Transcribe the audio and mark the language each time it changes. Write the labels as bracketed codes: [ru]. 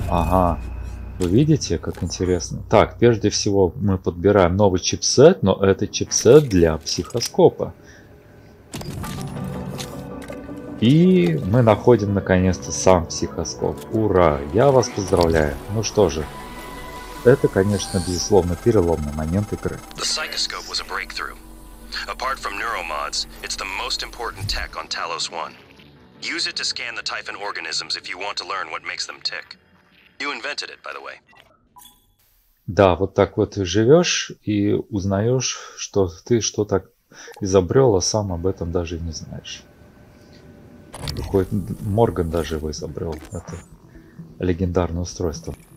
[ru] Ага, вы видите, как интересно. Так, прежде всего мы подбираем новый чипсет, но это чипсет для психоскопа. И мы находим наконец-то сам психоскоп. Ура! Я вас поздравляю. Ну что же, это, конечно, безусловно, переломный момент игры. [en] The psychoscope was a breakthrough. Apart from neuromods, it's the most important tech on Talos 1. Use it to scan the Typhon organisms if you want to learn what makes them tick. You invented it, by the way. [ru] Да, вот так вот ты живешь и узнаешь, что ты что так изобрел, а сам об этом даже не знаешь. Выходит, Морган даже его изобрел, это легендарное устройство.